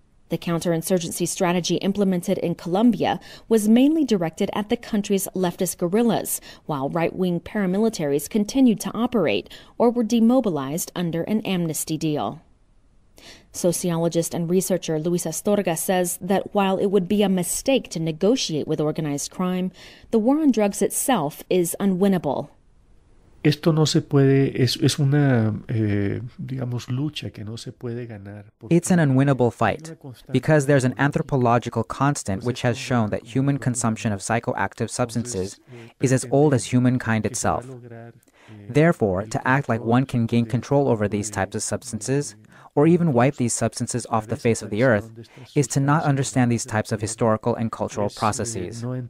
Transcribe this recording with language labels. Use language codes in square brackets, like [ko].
[en] The counterinsurgency strategy implemented in Colombia was mainly directed at the country's leftist guerrillas, while right-wing paramilitaries continued to operate or were demobilized under an amnesty deal. Sociologist and researcher Luis Astorga says that while it would be a mistake to negotiate with organized crime, the war on drugs itself is unwinnable. [es] Esto no se puede, es una, digamos, lucha que no se puede ganar. [en] It's an unwinnable fight because there's an anthropological constant which has shown that human consumption of psychoactive substances is as old as humankind itself. Therefore, to act like one can gain control over these types of substances, or even wipe these substances off the face of the earth, is to not understand these types of historical and cultural processes.